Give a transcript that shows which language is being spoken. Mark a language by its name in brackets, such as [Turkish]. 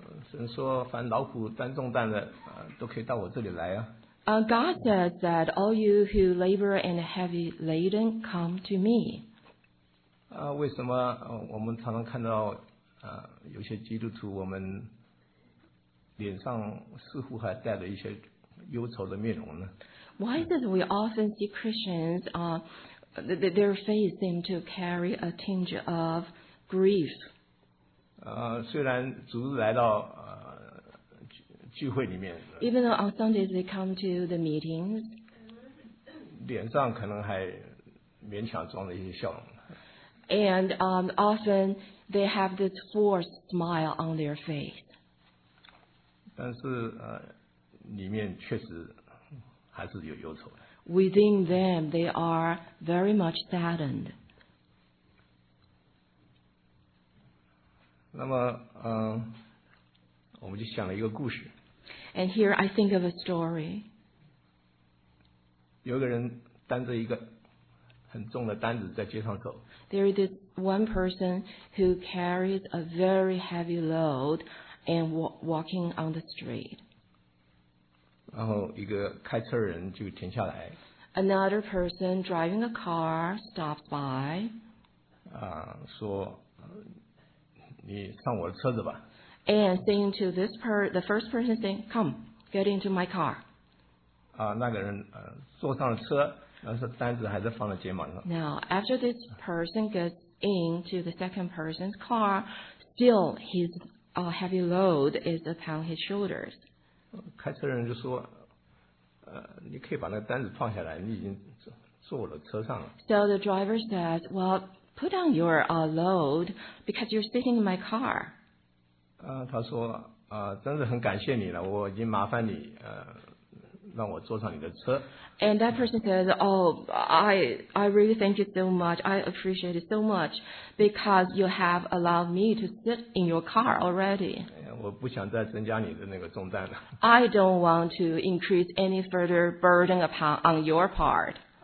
[Chinese] 神说凡劳苦担重担的都可以到我这里来啊。 [English] God says that all you who labor and are heavy laden, come to me. [Chinese] 为什么我们常常看到有些基督徒我们脸上似乎还带着一些忧愁的面容呢？ [English] Why is it that we often see Christians, their face seem to carry a tinge of grief? [Chinese] 虽然主日来到聚会里面， [English] Even though on Sundays they come to the meetings, [Chinese] 脸上可能还勉强装着一些笑容。 [English] And often they have this forced smile on their face. [Chinese] 但是里面确实还是有忧愁。 [English] Within them, they are very much saddened. [Chinese] 那么我们就想了一个故事。 [English] And here I think of a story. [Chinese] 有个人担着一个很重的担子在街上走。 [English] There is this one person who carries a very heavy load and walking on the street. [Chinese] 然后一个开车人就停下来。 [English] Another person driving a car stops by. [Chinese] 说你上我的车子吧。 [English] And saying to this person, the first person saying, come, get into my car. [Chinese] 那个人坐上了车，但是担子还是放在肩膀上。 [English] Now, after this person gets into the second person's car, still his heavy load is upon his shoulders. [Chinese] 开车人就说，你可以把那个担子放下来，你已经坐我的车上了。 [English] So the driver says, well, put down your load because you're sitting in my car. [Chinese] 他说真是很感谢你了，我已经麻烦你让我坐上你的车。 [English] And that person says, oh, I really thank you so much. I appreciate it so much because you have allowed me to sit in your car already. [Chinese] 我不想再增加你的那个重担了。 [English] I don't want to increase any further burden upon on your part.